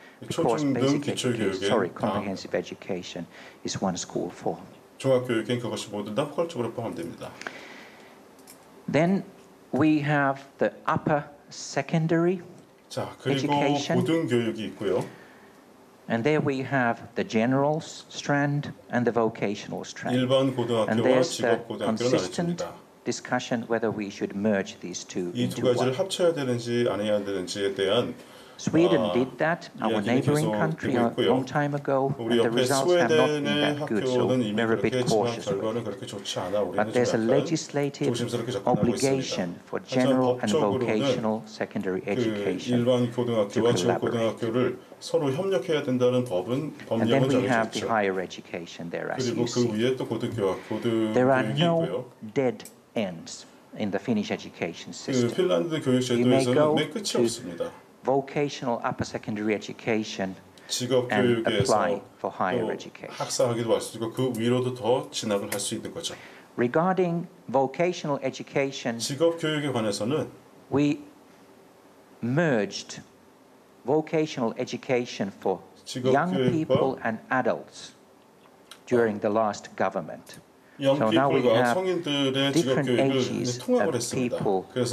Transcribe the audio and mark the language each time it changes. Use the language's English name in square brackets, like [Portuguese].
[English] Because basic education, comprehensive education is one school form. [Korean] 종합교육엔 그것이 모두 다 포괄적으로 포함됩니다. [English] Then we have the upper secondary [Korean] 자, 그리고 education. 고등교육이 있고요. [English] And there we have the general strand and the vocational strand. [Korean] 일반 고등학교와 [English] and there's the consistent discussion whether we should merge these two into one. [Korean] 이 두 가지를 합쳐야 되는지 안 해야 되는지에 대한 [English] Sweden did that, our neighboring country, a long time ago, and the results have not been that good, so we're a bit cautious with it. But there's a legislative obligation for general and vocational secondary education to collaborate. [Korean] 서로 협력해야 된다는 법은 법령은 [English] And then we have the higher education there, as you see. [Korean] 그리고 그 위에 또 고등교육이고요. [English] There are no dead ends in the Finnish education system. [Korean] 그 핀란드 교육 제도에서는 맨 끝이 없습니다. [English] Vocational upper secondary education [Korean] 직업교육에서 [English] and apply for higher education. [Korean] 학사학위도 할 수 있고 그 위로도 더 진학을 할 수 있는 거죠. [English] Regarding vocational education, [Korean] 직업교육에 관해서는 [English] we merged vocational education for young people and adults during the last government. So now we have different ages of people